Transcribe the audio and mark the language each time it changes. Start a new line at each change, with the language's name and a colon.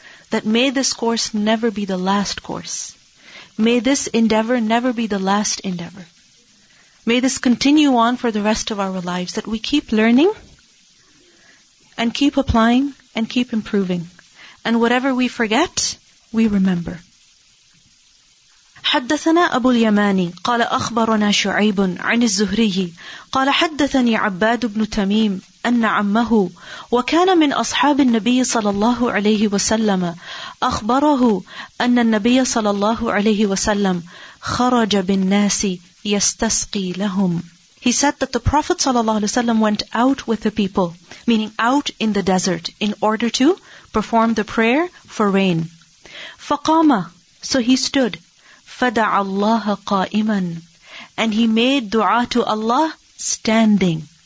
English: That may this course never be the last course. May this endeavor never be the last endeavor. May this continue on for the rest of our lives, that we keep learning and keep applying and keep improving. And whatever we forget, we remember.
Arabic: حدثنا أبو اليماني قال أخبرنا شعيب عن الزهري قال حدثني عباد بن تميم أن عمه وكان من أصحاب النبي صلى الله عليه وسلم أخبره أن النبي صلى الله عليه وسلم خرج بالناس يستسقي لهم.
English: He said that the Prophet ﷺ went out with the people, meaning out in the desert, in order to perform the prayer for rain.
Arabic: فَقَامَ,
English: so he stood.
Arabic: فَدَعَ اللَّهَ قَائِمًا,
English: and he made dua to Allah standing.